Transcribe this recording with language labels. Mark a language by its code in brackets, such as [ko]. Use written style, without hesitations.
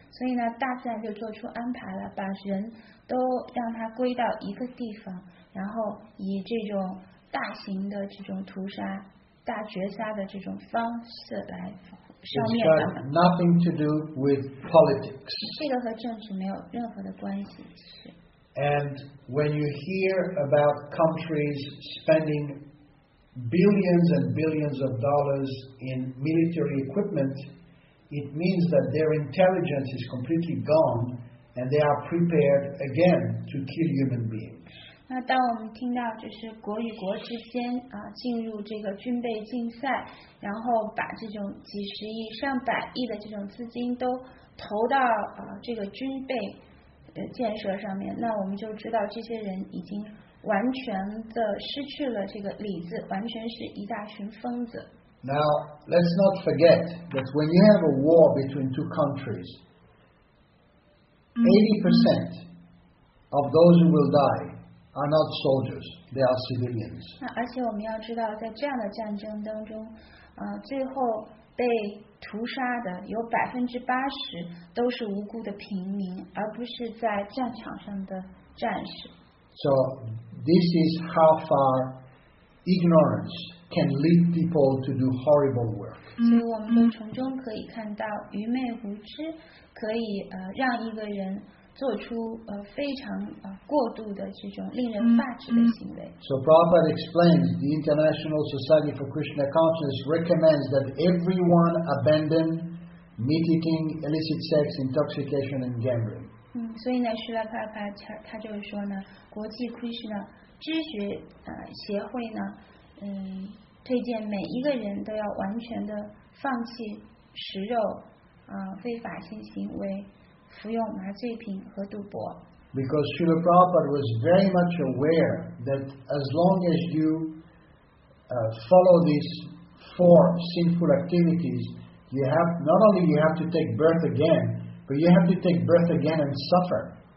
[zh] 所以呢，大自然就做出安排了，把人都让他归到一个地方，然后以这种大型的这种屠杀、大绝杀的这种方式来。 [en] It's got nothing to do with politics. [zh] 这个和政治没有任何的关系。 [en] And when you hear about countries spending billions and billions of dollars in military equipment, it means that their intelligence is completely gone and they are prepared again to kill human beings. [zh] 那当我们听到就是国与国之间进入这个军备竞赛，然后把这种几十亿上百亿的这种资金都投到这个军备的建设上面，那我们就知道这些人已经完全的失去了这个理智，完全是一大群疯子。 [en] Now let's not forget that when you have a war between two countries 80% of those who will dieare not soldiers, they are civilians. [zh] 而且我们要知道在这样的战争当中最后被屠杀的有80%都是无辜的平民，而不是在战场上的战士。 [en] So this is how far ignorance can lead people to do horrible work. [zh] 所以我们都从中可以看到愚昧无知可以让一个人做出非常过度的这种令人发指的行为。 [en] So Prabhupada explains the International Society for Krishna Consciousness recommends that everyone abandon meat eating, illicit sex, intoxication, and gambling. [zh] 所以呢，释迦牟尼佛他就是说呢，国际 Krishna 知识协会呢，推荐每一个人都要完全的放弃食肉非法性行为。服用麻醉品和赌博。 [en] Because Srila Prabhupada was very much aware that as long as you follow these four sinful activities, you have not only you have to take birth again, but you have to take birth again and suffer.